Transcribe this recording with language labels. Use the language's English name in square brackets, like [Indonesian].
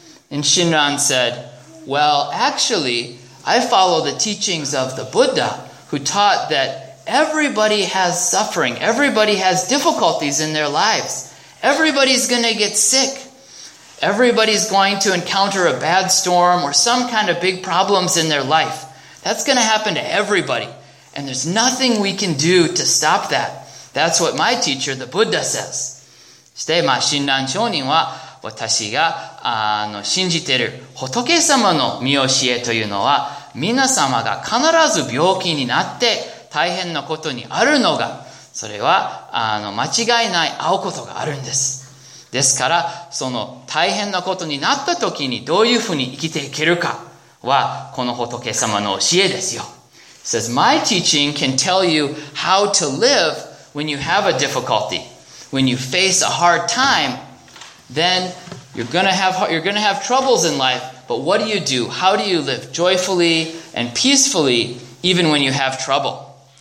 [English] And Shinran said, well, actually, I follow the teachings of the Buddha, who taught that everybody has suffering, everybody has difficulties in their lives. Everybody's going to get sick. Everybody's going to encounter a bad storm or some kind of big problems in their life. That's going to happen to everybody. And there's nothing we can do to stop that. That's what my teacher, the Buddha, says. [Japanese] して、まあ、親鸞聖人は、私が、信じている仏様の御教えというのは、皆様が必ず病気になって大変なことにあるのが、それは、間違いない会うことがあるんです。ですから、その大変なことになった時にどういうふうに生きていけるかは、この仏様の教えですよ。 [English] It says, my teaching can tell you how to live when you have a difficulty. When you face a hard time, then you're gonna have troubles in life. But what do you do? How do you live joyfully and peacefully even when you have trouble?